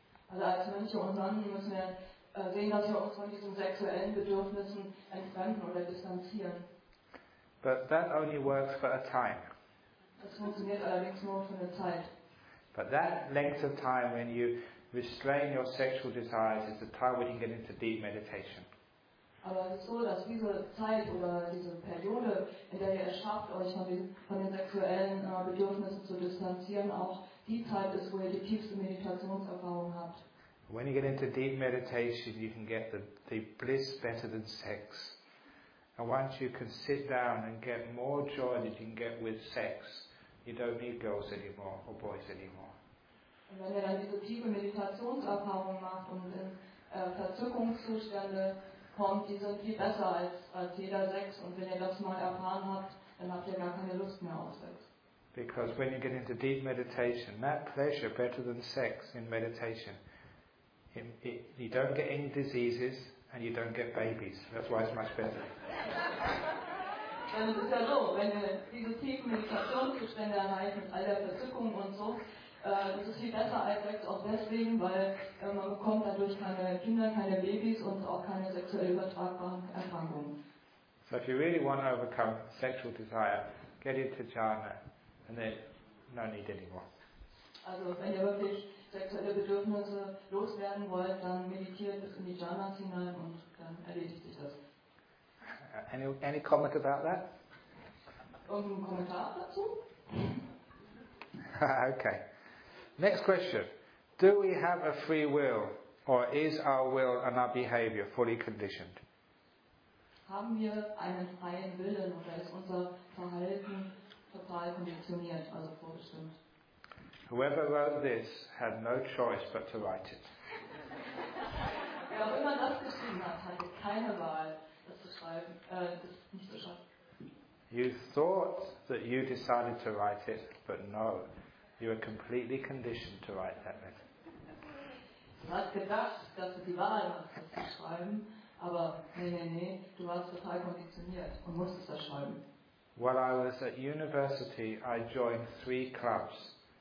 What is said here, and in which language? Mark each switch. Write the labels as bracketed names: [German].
[German] Also als Mönche und Nonnen müssen wir sehen, dass wir uns von diesen sexuellen Bedürfnissen entfremden oder distanzieren. [English] But that only works for a time. [German] Das funktioniert allerdings nur für eine Zeit. [English] But that length of time when you restrain your sexual desires is the time when you get into deep meditation. [German] Aber es ist so, dass diese Zeit oder diese Periode, in der ihr es schafft, euch von den sexuellen Bedürfnissen zu distanzieren, auch die Zeit ist, wo ihr die tiefste Meditationserfahrung habt. [English] When you get into deep meditation, you can get the bliss better than sex. And once you can sit down and get more joy than you can get with sex, you don't need girls anymore or boys anymore. [German] Und wenn ihr dann diese tiefe Meditationserfahrung macht und in Verzückungszustände kommt, die sind viel besser als jeder Sex. Und wenn ihr das mal erfahren habt, dann habt ihr gar keine Lust mehr auf Sex. [English] Because when you get into deep meditation, that pleasure better than sex in meditation, you don't get any diseases and you don't get babies. That's why it's much better. [German] Dann ist es ja so, wenn ihr diese tiefen Meditationszustände erreicht mit all der Verzückung und so, das ist viel besser als Sex auch deswegen, weil man bekommt dadurch keine Kinder, keine Babys und auch keine sexuell übertragbaren Erkrankungen. [English] So if you really want to overcome sexual desire, get into jhana and then no need anymore. [German] Also wenn ihr wirklich sexuelle Bedürfnisse loswerden wollt, dann meditiert bis in die Jhanas hinein und dann erledigt sich das. [English] Any comment about that? [German] Irgendein Kommentar dazu? [English] Okay. Next question. Do we have a free will or is our will and our behavior fully conditioned? [German] Haben wir einen freien Willen oder ist unser Verhalten total konditioniert, also vorbestimmt? [English] Whoever wrote this had no choice but to write it. [German] Wer auch immer das geschrieben hat, hatte keine Wahl, das zu schreiben, das nicht zu schaffen. [English] You thought that you decided to write it, but no. You are completely conditioned to write that letter. [German] Du hast gedacht, dass du die Wahl hast, das zu schreiben, aber nee, du warst total konditioniert und musstest das schreiben. [English] While I was at university, I joined 3 clubs.